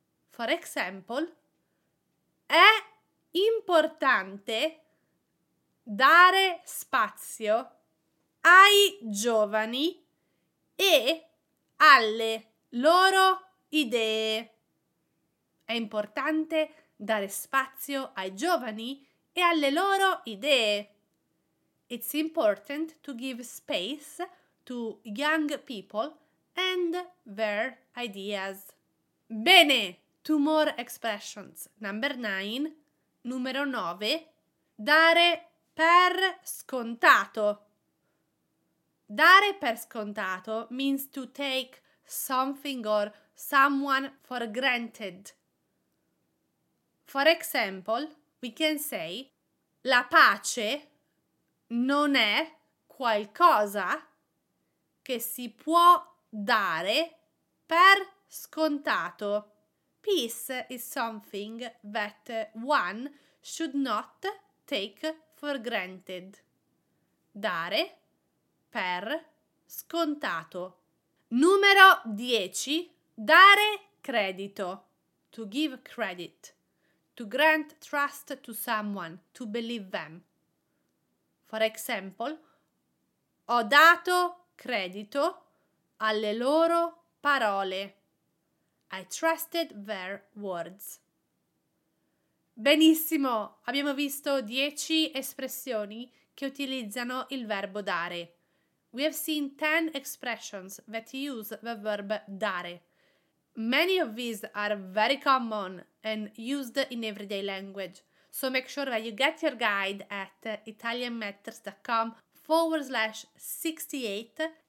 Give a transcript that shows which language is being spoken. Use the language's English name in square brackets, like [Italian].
[English] For example, [Italian] è importante dare spazio ai giovani e alle loro idee. È importante dare spazio ai giovani e alle loro idee. [English] It's important to give space to young people and their ideas. [Italian] Bene, [English] two more expressions. [Italian] Numero 9, dare per scontato. Dare per scontato [English] means to take something or someone for granted. For example, we can say [Italian] la pace non è qualcosa che si può dare per scontato. [English] Peace is something that one should not take for granted. [Italian] Dare per scontato. Numero 10. Dare credito. [English] To give credit. To grant trust to someone. To believe them. For example, [Italian] ho dato credito alle loro parole. [English] I trusted their words. [Italian] Benissimo! Abbiamo visto 10 espressioni che utilizzano il verbo dare. [English] We have seen 10 expressions that use the verb dare. Many of these are very common and used in everyday language. So make sure that you get your guide at italianmatters.com/68.